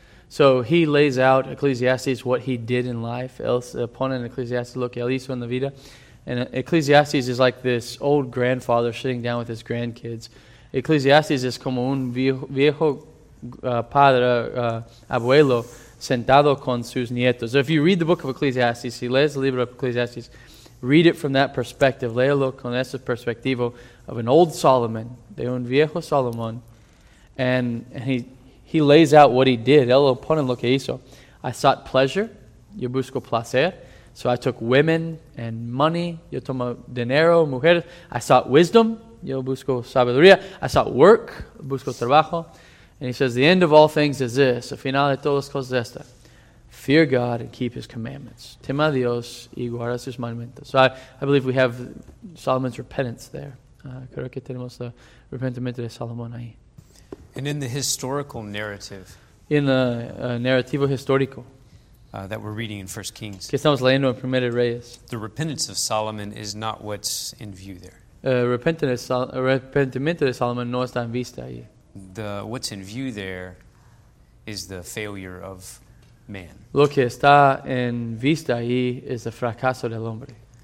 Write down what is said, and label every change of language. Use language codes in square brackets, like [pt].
[en] So he lays out Ecclesiastes what he did in life. [es] Él pone en Ecclesiastes lo que él hizo en la vida. [en] And Ecclesiastes is like this old grandfather sitting down with his grandkids. [es] Ecclesiastes is como un viejo padre, abuelo, sentado con sus nietos. [en] So if you read the book of Ecclesiastes, [es] si lees el libro de Ecclesiastes, [en] read it from that perspective. [es] Léalo con ese perspectivo [en] of an old Solomon, [es] de un viejo Salomón, [en] and he lays out what he did. [es] Él lo pone lo que hizo. [en] I sought pleasure. [es] Yo busco placer. [en] So I took women and money. [es] Yo tomo dinero, mujeres. [en] I sought wisdom. [es] Yo busco sabiduría. [en] I sought work. [es] Busco trabajo. [en] And he says, the end of all things is this. [es] El final de todas las cosas es esta. [en] Fear God and keep his commandments. [es] Tema a Dios y guarda sus mandamientos. [en] So I believe we have Solomon's repentance there. [es] Creo que tenemos el arrepentimiento de Salomón ahí. [en] And in the historical narrative. [es] In the narrativo histórico. [en] That we're reading in 1 Kings. [es] Que estamos leyendo en Primera de Reyes. [en] The repentance of Solomon is not what's in view there. [es] Arrepentimiento de Salomón no está en vista ahí. [en] What's in view there is the failure of man. [es] Lo que está en vista ahí es el fracaso del hombre.